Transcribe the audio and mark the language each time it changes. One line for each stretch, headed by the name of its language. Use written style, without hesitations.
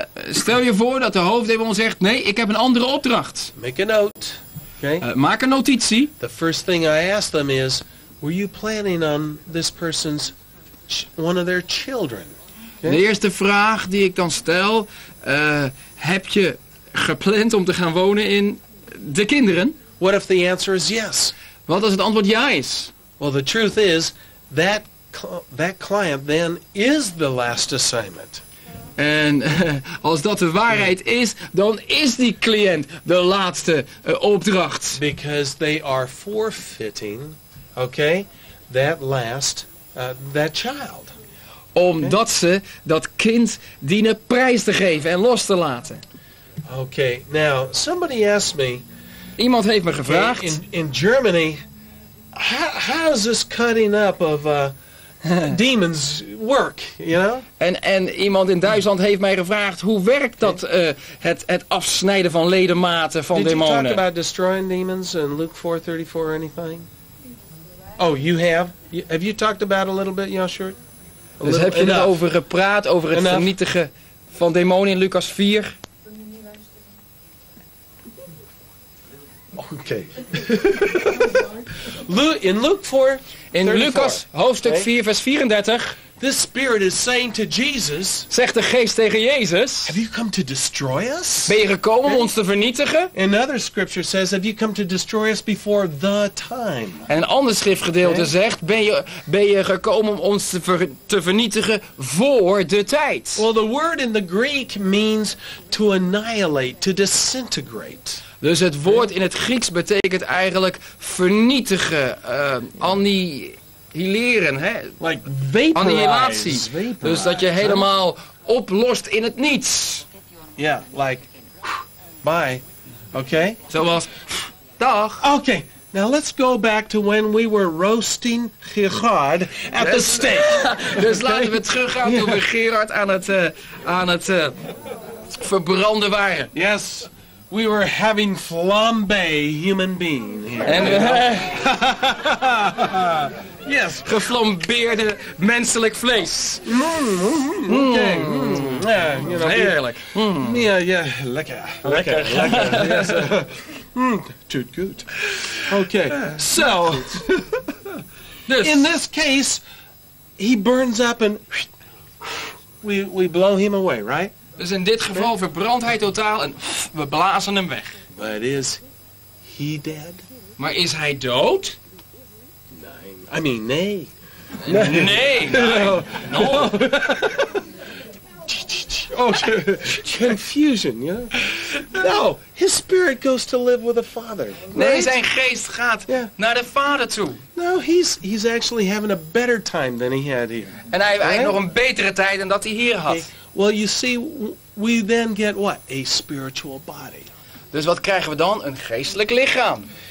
Dutch: Stel je voor dat de hoofddemon zegt, nee, ik heb een andere opdracht.
English: Make a note.
Dutch: Okay. Maak een notitie.
English: The first thing I ask them is, were you planning on this person's, one of their children? Okay.
Dutch: De eerste vraag die ik dan stel, heb je gepland om te gaan wonen in de kinderen?
English: What if the answer is yes?
Dutch: Wat als het antwoord ja is?
English: Well, the truth is, that client then is the last assignment.
Dutch: En als dat de waarheid is, dan is die cliënt de laatste opdracht.
English: Because they are forfeiting, okay, that last, that child.
Dutch: Omdat ze dat kind dienen prijs te geven en los te laten.
English: Okay, now, somebody asked me.
Dutch: Iemand heeft me gevraagd.
English: In Germany, how is this cutting up of demons work, you know?
Dutch: En iemand in Duitsland heeft mij gevraagd, hoe werkt dat, het afsnijden van ledematen van
English: Did
Dutch: demonen?
English: Did you talk about destroying demons in Luke 4:34 or anything? Oh, you have? Have you talked about a little bit, Joshua?
Dutch: Dus heb je erover gepraat, over het vernietigen van demonen in Lucas 4? Oké. Okay.
English: In Luke 4...
Dutch: In Lucas hoofdstuk 4 vers 34.
English: This spirit is saying to Jesus.
Dutch: Zegt de geest tegen Jezus.
English: Have you come to destroy us?
Dutch: Ben je gekomen om ons te vernietigen?
English: Another scripture says, have you come to destroy us before the time?
Dutch: En een ander schriftgedeelte zegt, ben je gekomen om ons te vernietigen voor de tijd?
English: Well, the word in the Greek means to annihilate, to disintegrate.
Dutch: Dus het woord in het Grieks betekent eigenlijk vernietigen, annihileren, hè?
English: Like vaporize. Annihilatie. Vaporize.
Dutch: Dus dat je helemaal oplost in het niets.
English: Ja, yeah, like, bye. Okay.
Dutch: Zoals, dag.
English: Okay, now let's go back to when we were roasting Gerard at the stake.
Dutch: Dus laten we teruggaan toen we Gerard aan het verbranden waren.
English: Yes. We were having flambé human being here. And, yes.
Dutch: Geflambeerde menselijk vlees. Heerlijk.
English: Yeah, lekker.
Dutch: Lekker.
English: Yes.
German: Tut gut.
English: Okay.
Dutch: So, in this case, he burns up and we blow him away, right?
English: Dus in dit geval verbrandt hij totaal en we blazen hem weg.
Dutch: But is he dead?
English: Maar is hij dood?
Dutch: Nee.
English: I mean,
Dutch: nee.
English: Nee. No. No. Oh, confusion, yeah? No, his spirit goes to live with the Father. Right?
Dutch: Nee, zijn geest gaat naar de Vader toe.
English: No, he's actually having a better time than he had here.
Dutch: En hij heeft nog een betere tijd dan dat hij hier had.
English: Hey, well, you see, we then get what? A spiritual body.
Dutch: Dus wat krijgen we dan? Een geestelijk lichaam.